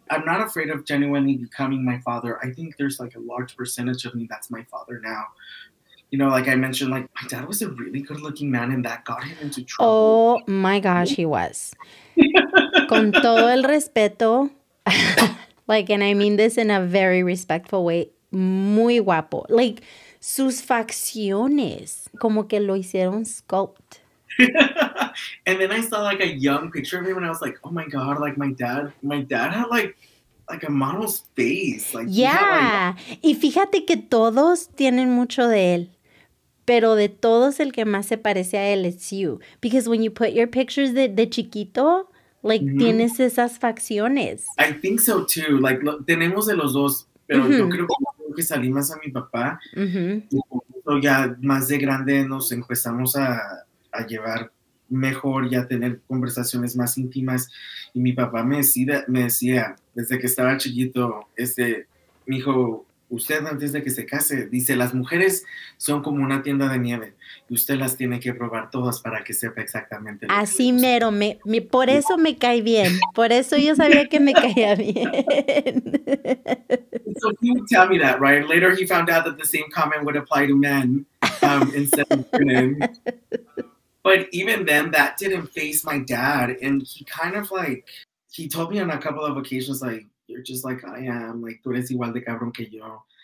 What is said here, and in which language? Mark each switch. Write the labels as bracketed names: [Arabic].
[English] I'm not afraid of genuinely becoming my father. I think there's, like, a large percentage of me that's my father now. You know, like I mentioned, like, my dad was a really good-looking man, and that got him into trouble. Oh, my gosh, he was. [Spanish] Con todo el respeto. [English] Like, and I mean this in a very respectful way. [Spanish] Muy guapo. Like, sus facciones, como que lo hicieron sculpt. [English] And then I saw like a young picture of him and I was like, oh my God, like my dad had like a model's face. Like, [Spanish] yeah. Y fíjate que todos tienen mucho de él, pero de todos el que más se parece a él es you. [English] Because when you put your pictures [Spanish] de chiquito, [English] like, mm-hmm. [Spanish] tienes esas facciones. [English] I think so too. [Spanish] Like, tenemos de los dos, pero mm-hmm. yo creo que... que salí más a mi papá, uh-huh. ya más de grande nos empezamos a llevar mejor y a tener conversaciones más íntimas, y mi papá me decía desde que estaba chiquito, mijo, usted antes de que se case, dice, las mujeres son como una tienda de nieve y usted las tiene que probar todas para que sepa exactamente. Así mero, por eso me cae bien, por eso yo sabía que me caía bien. [English] So he would tell me that, right? Later he found out that the same comment would apply to men instead of women. But even then, that didn't faze my dad. And he kind of like, he told me on a couple of occasions, like, you're just like I am, like, [Spanish] tú eres igual de cabrón que yo.